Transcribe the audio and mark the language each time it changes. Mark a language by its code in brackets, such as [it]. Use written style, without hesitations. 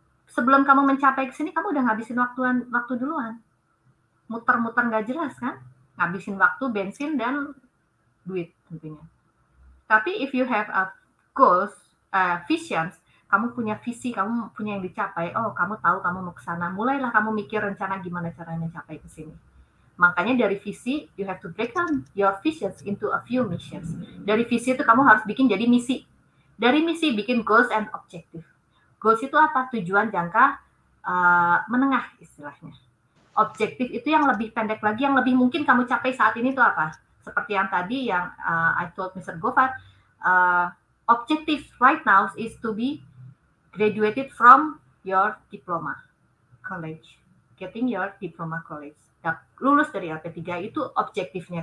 [id] Sebelum kamu mencapai kesini, kamu udah ngabisin waktu duluan, muter-muter nggak jelas kan? Ngabisin waktu, bensin, dan duit tentunya. Tapi [en] if you have a goals, visions, [id] kamu punya visi, kamu punya yang dicapai, oh kamu tahu kamu mau kesana, mulailah kamu mikir rencana gimana caranya mencapai kesini. Makanya dari visi, [en] you have to break down your visions into a few missions. [id] Dari visi itu kamu harus bikin jadi misi. Dari misi bikin goals and objective. Goals itu apa? Tujuan jangka menengah istilahnya. Objektif itu yang lebih pendek lagi, yang lebih mungkin kamu capai saat ini itu apa? Seperti yang tadi yang [en] I told Mr. Govat, objektif right now is to be graduated from your diploma college, getting your diploma college. [id] Lulus dari LP3 itu objektifnya.